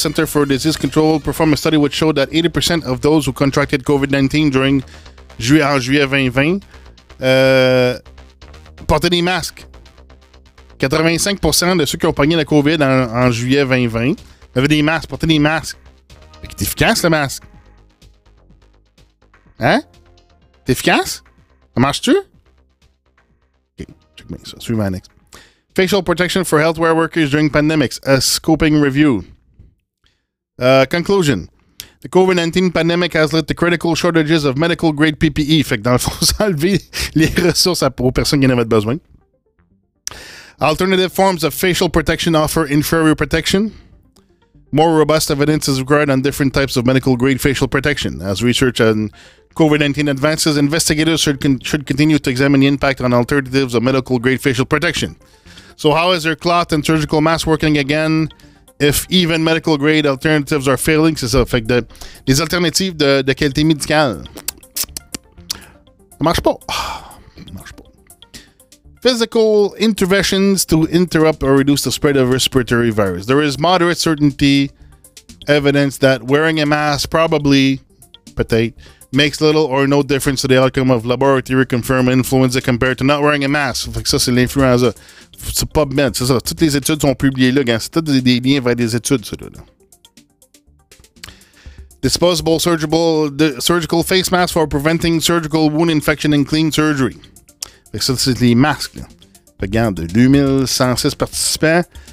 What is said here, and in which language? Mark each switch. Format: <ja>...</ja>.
<en>Center for Disease Control performed a study which showed that 80% of those who contracted COVID-19 during</en> <fr>juillet 2020 portaient des masques. 85% de ceux qui ont pogné la COVID en juillet 2020 avaient des masques, portaient des masques. Fait que c'est efficace, le masque. Hein? T'es efficace? Ça marche-tu? OK, check me ça. Suivez l'annexe.</fr> <en>Facial protection for healthcare workers during pandemics. A scoping review. Conclusion. The COVID-19 pandemic has led to critical shortages of medical-grade PPE.</en> <fr>Fait que dans le fond, ça a levé les ressources aux personnes qui en avaient besoin.</fr> <en>Alternative forms of facial protection offer inferior protection. More robust evidence is required on different types of medical-grade facial protection. As research on COVID-19 advances, investigators should continue to examine the impact on alternatives of medical-grade facial protection. So how is your cloth and surgical mask working again if even medical-grade alternatives are failing?</en> <fr>C'est ça, fait que les alternatives de qualité médicale. Ça marche pas.</fr> <en>Physical interventions to interrupt or reduce the spread of respiratory virus. There is moderate certainty evidence that wearing a mask probably, peut-être, makes little or no difference to the outcome of laboratory-confirmed influenza compared to not wearing a mask.</en> <fr>Ça, c'est l'influenza. C'est pas bien. C'est ça. Toutes les études sont publiées là. C'est tout des liens vers des études, ça, là.</fr> <en>Disposable surgical face mask for preventing surgical wound infection and clean surgery.</en> <fr>Fait que ça, c'est les masques. Regarde, 2106 participants.</fr>